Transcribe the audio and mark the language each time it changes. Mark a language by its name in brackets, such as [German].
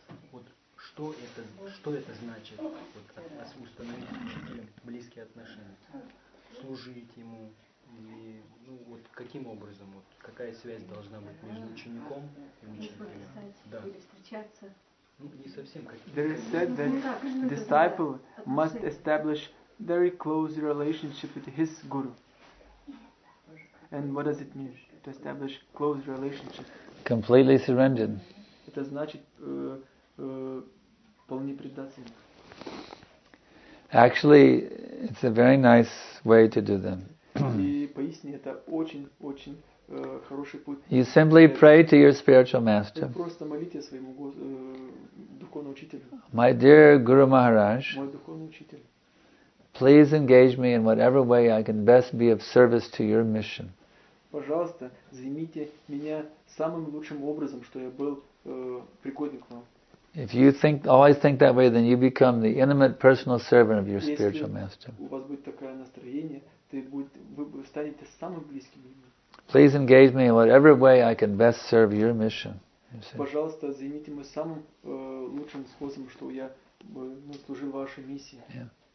[Russian] Вот что это значит? Вот, установить с учителем близкие отношения. Служить ему. И, ну, вот каким образом, вот какая связь должна быть между учеником и учителем? Да. Или встречаться. Ну, не совсем как. [English] There is said that disciple must establish very close relationship with his guru. And what does it mean to establish close relationship? Completely surrendered. [Russian] Это значит полный предатель. [English] Actually, it's a very nice way to do them. [Russian] И поистине это очень-очень хороший путь. [English] You simply pray to your spiritual master. [Russian] Просто молитесь своему духовному учителю. [English] My dear Guru Maharaj. [Russian] Мой духовный учитель. [English] Please engage me in whatever way I can best be of service to your mission. [Russian] Пожалуйста, займите меня самым лучшим образом, что я был пригоден к вам. [English] If you think always think that way, then you become the intimate personal servant of your spiritual master. [Russian] У вас будет такое настроение, вы станете самым близким. [English] Please engage me in whatever way I can best serve your mission. [Russian] Пожалуйста, займите меня самым лучшим способом, что я служил вашей миссии. [English] Yeah.